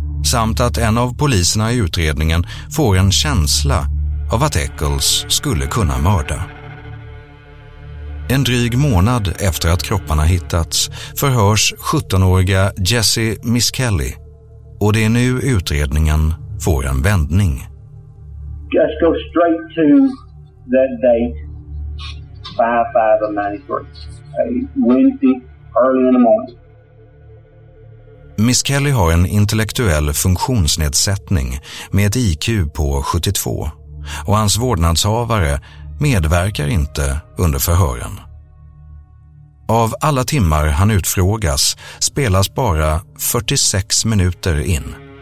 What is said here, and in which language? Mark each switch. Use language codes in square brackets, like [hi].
[sv] Samt att en av poliserna i utredningen får en känsla av att Eccles skulle kunna mörda. En dryg månad efter att kropparna hittats förhörs 17-åriga Jesse Miss Kelly, och det är nu utredningen får en vändning. [en] Just go straight to that date, 5/5/93, Wednesday, early in the morning. [sv] Miss Kelly har en intellektuell funktionsnedsättning med ett IQ på 72, och hans vårdnadshavare medverkar inte under förhören. Av alla timmar han utfrågas spelas bara 46 minuter in.